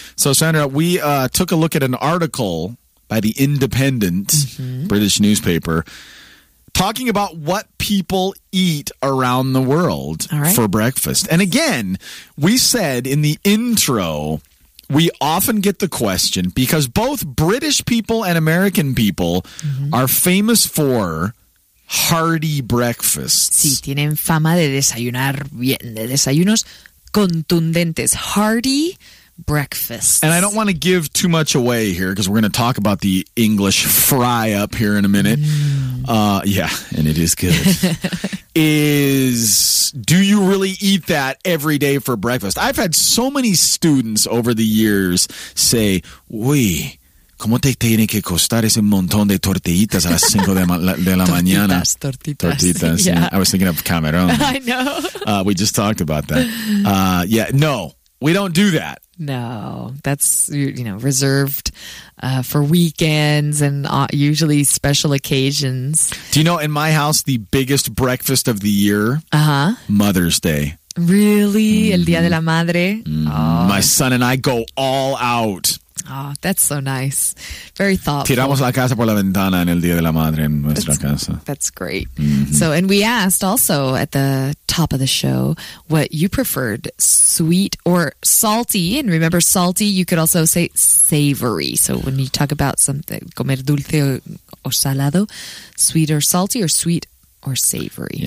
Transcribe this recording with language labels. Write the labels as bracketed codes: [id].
[en] So, Sandra, we took a look at an article by the Independent, British newspaper, talking about what people eat around the world for breakfast. And again, we said in the intro, we often get the question, because both British people and American people are famous for hearty breakfasts. [es] Sí, tienen fama de desayunar bien, de desayunos contundentes. [en] Hearty breakfasts. And I don't want to give too much away here because we're going to talk about the English fry up here in a minute. Yeah, and it is good. do you really eat that every day for breakfast? I've had so many students over the years say, [es] uy, ¿cómo te tiene que costar ese montón de tortillitas a las cinco de la mañana? Tortitas. [en] Yeah. I was thinking of Cameroon. I know. We just talked about that. No, we don't do that. No, that's, you know, reserved for weekends and usually special occasions. Do you know, in my house, the biggest breakfast of the year? Mother's Day. Really? Mm-hmm. [es] El Día de la Madre? [en] Mm-hmm. Oh. My son and I go all out. Oh, that's so nice. Very thoughtful. [es] Tiramos la casa por la ventana en el Día de la Madre en nuestra casa. [en] That's great. Mm-hmm. So, and we asked also at the top of the show what you preferred, sweet or salty. And remember, salty, you could also say savory. So when you talk about something, [es] comer dulce o salado, [en] sweet or salty or sweet or savory.